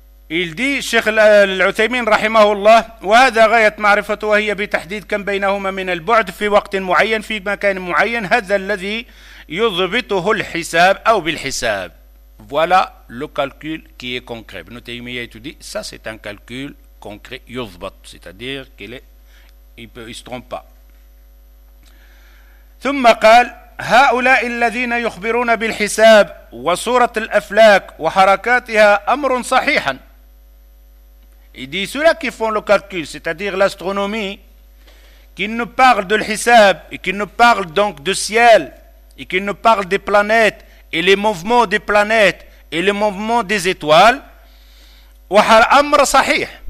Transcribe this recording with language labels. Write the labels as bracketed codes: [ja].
[fr] Il dit, [ar] Cheikh Al-Uthaymin, rahimahullah, وهذا غاية معرفته وهي بتحديد كم بينهما من البعد في وقت معين في مكان معين هذا الذي يضبطه الحساب أو بالحساب. [fr] Voilà le calcul qui est concret. Ibn Taymiyyah dit, ça c'est un calcul concret, يضبط, c'est-à-dire qu'il est, il se trompe pas. [ar] ثم قال هؤلاء الذين يخبرون بالحساب وصورة الأفلاك وحركاتها أمر صحيح. [fr] Il dit, ceux-là qui font le calcul, c'est-à-dire l'astronomie, qui nous parle de l'hisab, et qui nous parle donc du ciel, et qui nous parle des planètes, et les mouvements des planètes, et les mouvements des étoiles, [ar] وَحَرْ أَمْرَ صَحِيح.